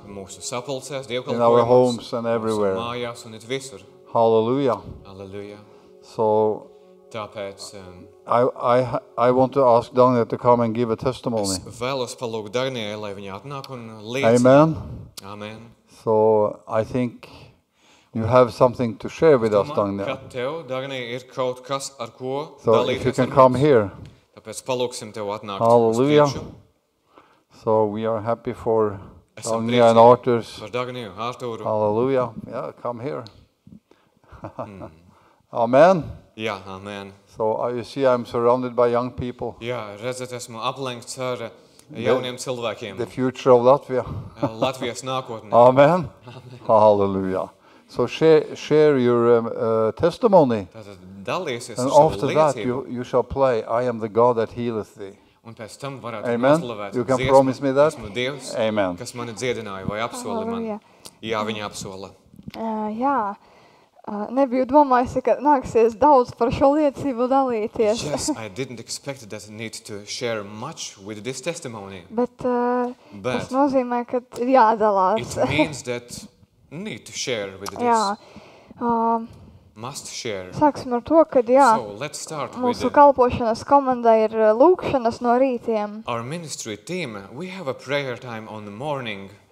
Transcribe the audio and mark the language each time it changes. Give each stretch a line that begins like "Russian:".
Latvian: Mūsu sapulcēs, Dievkalpojumos.
English: In our homes and everywhere.
Latvian: Mājās un it visur.
English: Hallelujah.
Latvian: Hallelujah.
English: So,
Latvian: Tāpēc
English: I want to ask Daniel to come and give a testimony.
Latvian: Es vēlos palūkt Danielu, lai viņa atnāk un liecina.
English: Amen.
Latvian: Amen.
English: So I think you have something to share with us,
Latvian: Daniel. Kad tev, Daniel, ir kaut kas ar ko
English: so if you can come here.
Latvian: Tāpēc palūksim tev atnākt.
English: Hallelujah. So we are happy for Daniel and
Latvian: Arturs. Par Daniel, Arturu.
English: Hallelujah. Yeah, come here.
Latvian: Amen.
English: Yeah, amen. So you see, I'm surrounded by young people.
Latvian: Yeah, redzat, esmu aplenkts ar jauniem cilvēkiem.
English: The future of Latvia.
Latvian: Latvijas nākotne.
English: Amen. Hallelujah. So share your testimony.
Latvian: Dalīsies
English: and after that, you shall play, I am the God that healeth thee.
Latvian: Un pēc tam varētu
English: amen. You can promise me that?
Latvian: Esmu Dievs, amen. Kas mani dziedināja vai apsola man. Jā, viņa apsola. Jā. Nebiju domājusi, ka nāksies daudz par šo liecību dalīties.
English: Yes, I didn't expect that I need to share much with this testimony.
Latvian: Bet tas nozīmē, ka ir jādalās.
English: It means that need to share with this.
Latvian: Jā.
English: Must share.
Latvian: Sāksim ar to, ka jā, mūsu kalpošanas komanda ir lūkšanas no rītiem.
English: Our ministry team, we have a prayer time on the morning.